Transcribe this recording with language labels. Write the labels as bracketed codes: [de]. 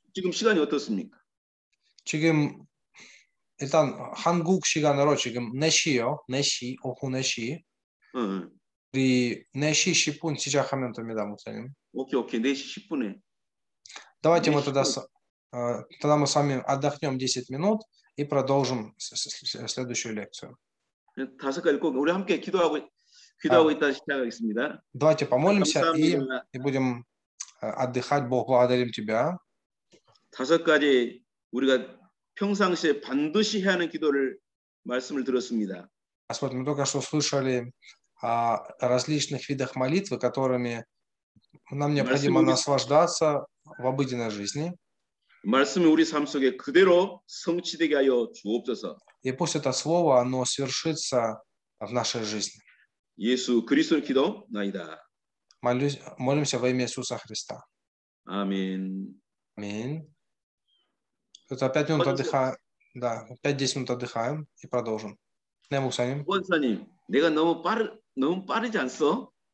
[ko] 지금 시간이 어떻습니까? 지금 일단 한국 시간으로 지금 4시요. 4시, 오후 4시. 우리 4시 10분 시작하면 됩니다, 목사님. 오케이, 오케이. 4시 10분에. [ru] Давайте мы тогда мы с вами отдохнем 10 минут и продолжим следующую лекцию. [ko] 다섯 가지 꼭 우리 함께 기도하고 있다 시작하겠습니다. [ru] Давайте помолимся и будем отдыхать. Бог, благодарим тебя. [ko] 다섯 가지 우리가 평상시에 반드시 해야 하는 기도를 말씀을 들었습니다. [ru] Господь, мы только что слышали о различных видах молитвы, которыми нам необходимо наслаждаться в обыденной жизни. [ko] 말씀이 우리 삶 속에 그대로 성취되게 하여 주옵소서. [ru] И пусть это слово, оно свершится в нашей жизни. [ko] 예수 그리스도의 기도 나이다. [ru] молимся во имя Иисуса Христа. [ko] 아멘. 아멘. 그래서 [ru] 5 минут отдыхаем. Да, 5-10 минут отдыхаем и продолжим. [ko] 네, 목사님. 권사님, 내가 너무 빠르지 않소?